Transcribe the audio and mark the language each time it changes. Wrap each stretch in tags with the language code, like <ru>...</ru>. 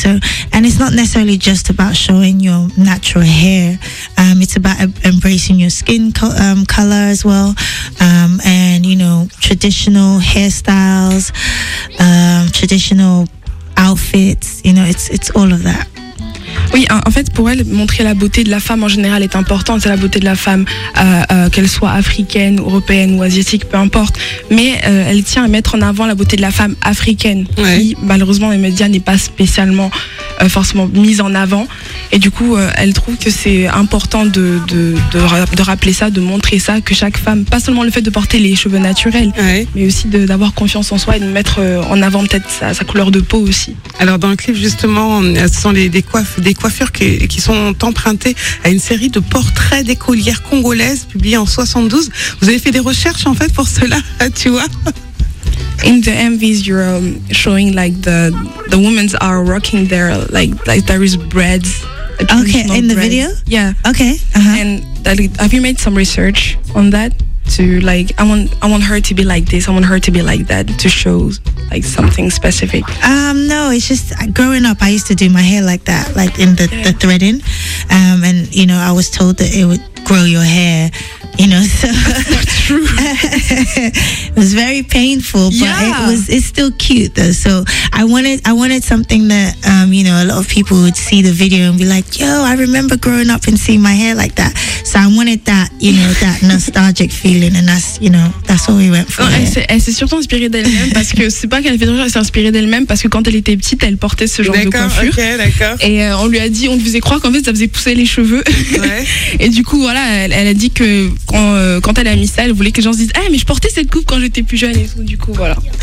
<en>So, and it's not necessarily just about showing your natural hair. It's about embracing your skin color as well. And, you know, traditional hairstyles, traditional outfits, you know, it's all of that.</en> <fr>Oui, en fait, pour elle, montrer la beauté de la femme en général est importante. C'est la beauté de la femme, qu'elle soit africaine, européenne ou asiatique, peu importe. Mais elle tient à mettre en avant la beauté de la femme africaine, qui, malheureusement, les médias n'est pas spécialement forcément mise en avant. Et du coup, elle trouve que c'est important de rappeler ça, de montrer ça, que chaque femme, pas seulement le fait de porter les cheveux naturels, mais aussi d'avoir confiance en soi et de mettre en avant peut-être sa couleur de peau aussi. Alors, dans le clip, justement, ce sont des coiffures qui sont empruntées à une série de portraits d'écolières congolaises publiées en 72. Vous avez fait des recherches en fait pour cela, tu vois.</fr> <en>In the MVs, you're showing like the women's are rocking their like there is braids. Okay, in the video. Yeah. Okay. And have you made some research on that? To like, I want her to be like this. I want her to be like that. To show like something specific. No, it's just growing up. I used to do my hair like that, like in the threading, and you know, I was told that it would grow your hair. You know, so that's true. It was very painful, but it's still cute though. So I wanted something that you know, a lot of people would see the video and be like, yo, I remember growing up and seeing my hair like that. So I wanted that, you know, that nostalgic feeling, and that's, you know, that's what we went for.</en> <fr>Elle s'est surtout inspirée d'elle-même parce que c'est pas qu'elle fait toujours, elle s'est inspirée d'elle-même parce que quand elle était petite, elle portait ce genre d'accord, de coiffure. Okay, d'accord. Et on lui a dit, on lui faisait croire qu'en fait ça faisait pousser les cheveux. Ouais. Et du coup voilà, elle a dit que quand elle a mis ça, elle voulait que les gens se disent « Ah, mais je portais cette coupe quand j'étais plus jeune !» Et tout, du coup, voilà.</fr>